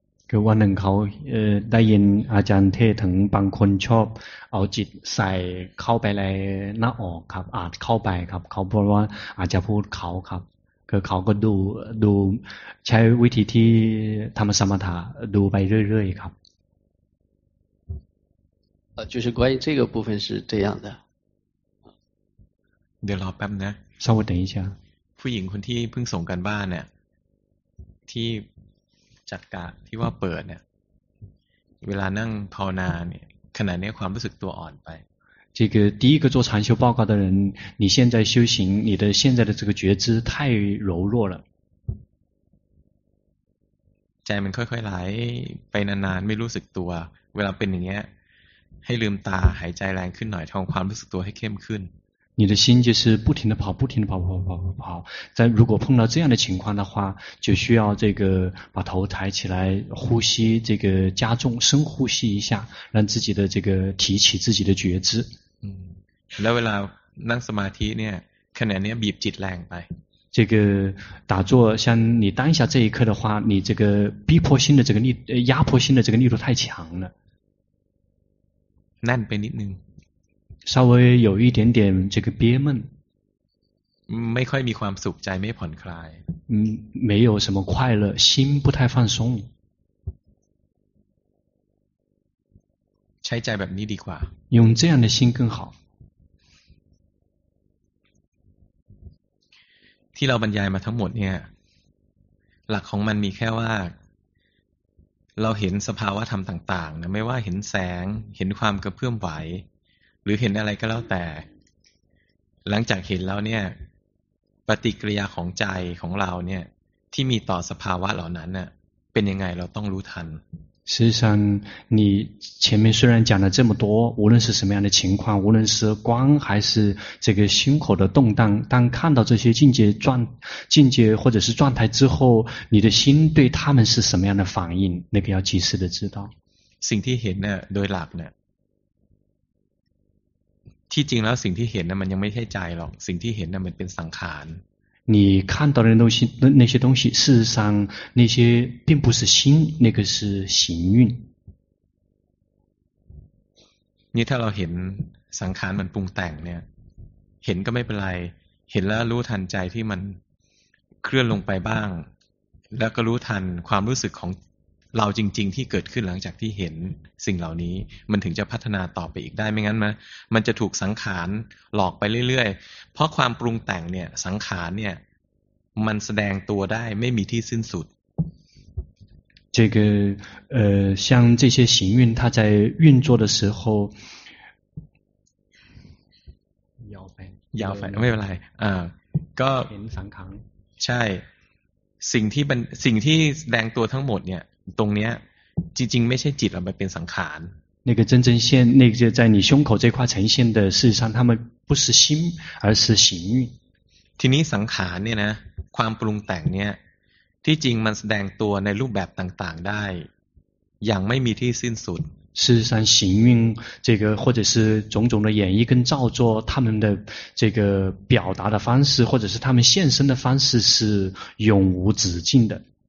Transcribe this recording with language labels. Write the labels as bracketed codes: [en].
[th] คือวันหนึ่งเขาได้ยินอาจารย์เทศถึงบางคนชอบเอาจิตใส่เข้าไปในหน้าอกครับอาจเข้าไปครับเขาบอกว่าอาจจะพูดเขาครับคือเขาก็ดูใช้วิธีที่ทำสมถะดูไปเรื่อยๆครับ [zh] 就是关于这个部分是这样的 [th] เดี๋ยวรอแป๊บนะ สักวันหนึ่งใช่ไหม ผู้หญิงคนที่เพิ่งส่งกันบ้านเนี่ยที่จัดการที่ว่าเปิดเนี่ยเวลานั่งภาวนาเนี่ยขณะนี้ความรู้สึกตัวอ่อนไป [zh] 这个第一个做禅修报告的人你现在修行你的现在的这个觉知太柔弱了 [th] ใจมันค่อยๆไหลไปนานๆไม่รู้สึกตัวเวลาเป็นอย่างเงี้ยให้ลืมตาหายใจแรงขึ้นหน่อยทำความรู้สึกตัวให้เข้มขึ้น [zh] 你的心就是不停地跑，不停地跑，跑跑跑跑。在如果碰到这样的情况的话，就需要这个把头抬起来，呼吸，这个加重深呼吸一下，让自己的这个提起自己的觉知。 [th] 嗯，แล้วเวลานั่งสมาธิเนี่ยขณะนี้บีบจิตแรงไป。 [zh] 这个打坐，像你当下这一刻的话，你这个逼迫心的这个力，压迫心的这个力度太强了。 [th] นั่นไปนิดนึง。 [zh] 稍微有一点点这个憋闷， [th] ไม่ค่อยมีความสุขใจไม่ผ่อนคลาย [zh] 没有什么快乐，心不太放松。 [th] ใช้ใจแบบนี้ดีกว่า [zh] 用这样的心更好。 [th] ที่เราบรรยายมาทั้งหมดเนี่ยหลักของมันมีแค่ว่าเราเห็นสภาวะธรรมต่างๆนะไม่ว่าเห็นแสงเห็นความกระเพื่อมไหวหรือเห็นอะไรก็แล้วแต่หลังจากเห็นแล้วเนี่ยปฏิกิริยาของใจของเราเนี่ยที่มีต่อสภาวะเหล่านั้นเนี่ยเป็นยังไงเราต้องรู้ทัน [zh] 事实上你前面虽然讲了这么多无论是什么样的情况无论是光还是这个心口的动荡当看到这些境界或者是状态之后你的心对他们是什么样的反应那个要及时的知道 [th] สิ่งที่เห็นเนี่ยโดยหลักเนี่ยที่จริงแล้วสิ่งที่เห็นนะมันยังไม่ใช่ใจหรอกสิ่งที่เห็นนะมันเป็นสังขาร [zh] 你看到的东西那些东西事实上那些并不是心那个是行运 [th] นี่ถ้าเราเห็นสังขารมันปรุงแต่งเนี่ยเห็นก็ไม่เป็นไรเห็นแล้วรู้ทันใจที่มันเคลื่อนลงไปบ้างแล้วก็รู้ทันความรู้สึกของเราจริงๆที่เกิดขึ้นหลังจากที่เห็นสิ่งเหล่านี้มันถึงจะพัฒนาต่อไปอีกได้ไม่งั้นมันจะถูกสังขารหลอกไปเรื่อยๆเพราะความปรุงแต่งเนี่ยสังขารเนี่ยมันแสดงตัวได้ไม่มีที่สิ้นสุด [zh] 这个像这些行运它在运作的时候 [th] ยาวไป ยาวไปไม่เป็นไรก็ เห็นสังขาร ใช่สิ่งที่แสดงตัวทั้งหมดเนี่ยตรงเนี้ยจริงๆไม่ใช่จิตหรอกมันเป็นสังขาร [zh] 那个真正现那个在你胸口这块呈现的事实上他们不是心而是行运 [th] ทีนี้สังขารเนี่ยนะความปรุงแต่งเนี่ยที่จริงมันแสดงตัวในรูปแบบต่างๆได้อย่างไม่มีที่สิ้นสุด [zh] 事实上行运这个或者是种种的演绎跟造作他们的这个表达的方式或者是他们现身的方式是永无止境的